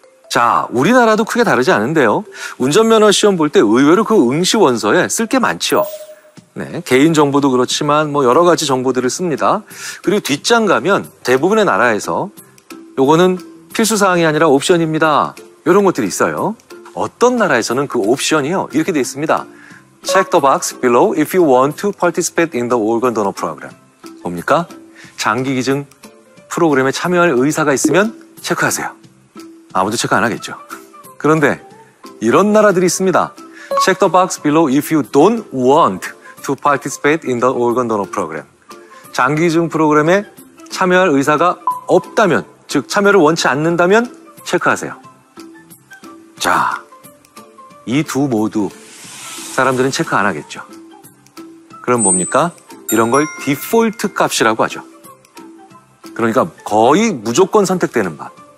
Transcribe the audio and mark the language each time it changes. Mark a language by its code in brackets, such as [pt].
[ko] 자, 우리나라도 크게 다르지 않은데요. 운전면허 시험 볼 때 의외로 그 응시원서에 쓸 게 많죠. 네, 개인정보도 그렇지만 뭐 여러 가지 정보들을 씁니다. 그리고 뒷장 가면 대부분의 나라에서 요거는 필수사항이 아니라 옵션입니다. 이런 것들이 있어요. 어떤 나라에서는 그 옵션이요, 이렇게 돼 있습니다. [en] Check the box below if you want to participate in the organ donor program. [ko] 뭡니까? 장기 기증 프로그램에 참여할 의사가 있으면 체크하세요. 아무도 체크 안 하겠죠. 그런데 이런 나라들이 있습니다. [en] Check the box below if you don't want to participate in the organ donor program. [ko] 장기 기증 프로그램에 참여할 의사가 없다면, 즉 참여를 원치 않는다면 체크하세요. 자, 이 두 모두 사람들은 체크 안 하겠죠. 그럼 뭡니까? 이런 걸 디폴트 값이라고 하죠. 그러니까 거의 무조건 선택되는 바.